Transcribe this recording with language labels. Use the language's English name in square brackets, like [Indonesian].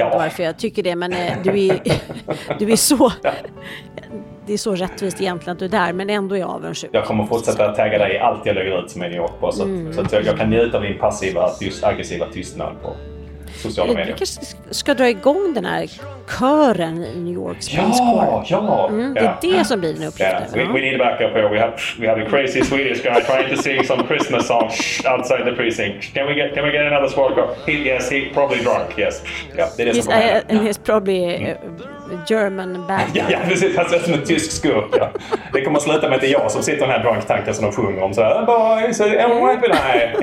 [Swedish] Varför jag tycker det, men du är så... Det är så rättvist egentligen att du är där, men ändå är jag avundsjuk. Jag kommer fortsätta att tagga dig i allt jag lägger ut som är New York på. Så jag kan njuta av din passiva, just aggressiva tystnad på sociala medier. Du kanske ska dra igång den här kören i New Yorks Prince Court. Det är det som blir en uppgift. [English] We need to back up here. We have a crazy Swedish guy trying to sing some Christmas songs outside the precinct. Can we get another squad car? Yes, he's probably drunk. Yes. He's probably German bad guy. [Swedish] Ja, precis. Han ser som en tysk skurk. Ja. Det kommer att sluta med att det är jag som sitter i den här drunk tanken som de sjunger om. Så här, [English] boys, and why will I?